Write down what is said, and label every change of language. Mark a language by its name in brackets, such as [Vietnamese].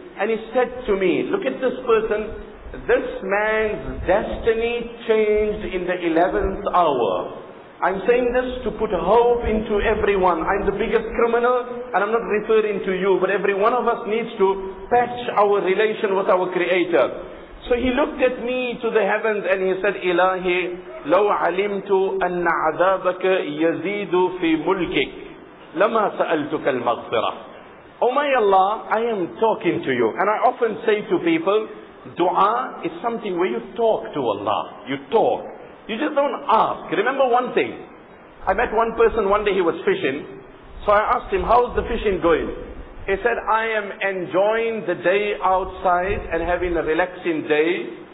[English] And he said to me, "Look at this person. This man's destiny changed in the 11th hour. I'm saying this to put hope into everyone. I'm the biggest criminal, and I'm not referring to you, but every one of us needs to patch our relation with our Creator." So he looked at me to the heavens and he said, "Ilahi, [Arabic] لو علمت أن عذابك يزيد في ملكك لما سألتك المغفرة." [English] Oh my Allah, I am talking to you. And I often say to people, dua is something where you talk to Allah. You talk. You just don't ask. Remember one thing. I met one person one day, he was fishing. So I asked him, "How's the fishing going?" He said, "I am enjoying the day outside and having a relaxing day.